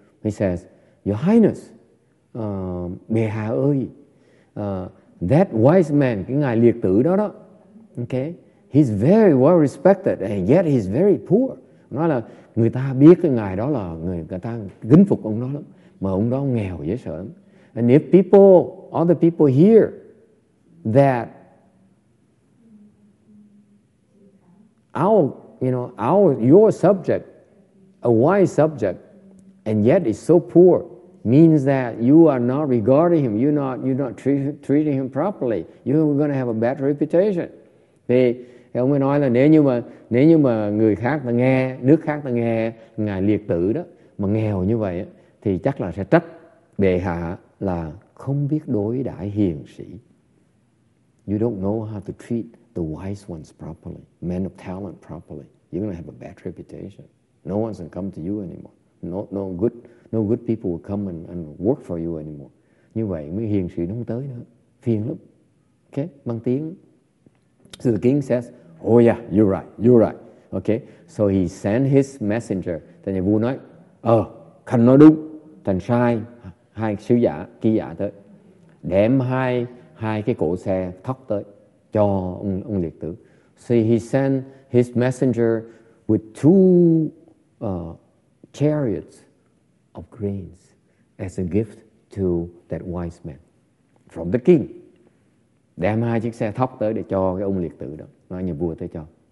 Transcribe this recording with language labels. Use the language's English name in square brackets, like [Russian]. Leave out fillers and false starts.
[English] He says, "Your Highness, [Vietnamese] bệ hạ ơi, [English] that wise man, [Vietnamese] cái ngài liệt tử đó đó, [English] okay, he's very well respected and yet he's very poor." [Vietnamese] Nói là người ta biết cái ngài đó là người ta kính phục ông đó lắm, mà ông đó nghèo dễ sợ lắm. [English] And if people, all the people hear that your subject, a wise subject, and yet is so poor, means that you are not regarding him, you're not treating him properly, you're going to have a bad reputation. [Vietnamese] Thì ông ấy nói là nếu như mà người khác ta nghe, nước khác ta nghe ngài liệt tử đó mà nghèo như vậy thì chắc là sẽ trách bệ hạ là không biết đối đãi hiền sĩ. [English] You don't know how to treat the wise ones properly, men of talent properly. You're going to have a bad reputation. No one's going to come to you anymore. No good people will come and work for you anymore. [Vietnamese] Như vậy mới hiền sĩ nó không tới nữa. Phiền lắm. Okay, mang tiếng. [English] So the king says, "Oh yeah, you're right. Okay, so he sent his messenger. [Vietnamese] Thì nhà vua nói, khanh nói đúng, thành sai. Hai sứ giả, ký giả tới. Đem hai cái cỗ xe thóc tới cho ông liệt tử. [English] So he sent his messenger with two chariots of grains as a gift to that wise man from the king. [Vietnamese] Đem hai chiếc xe thóc tới để cho cái ông liệt tử đó, nói nhà vua tới cho.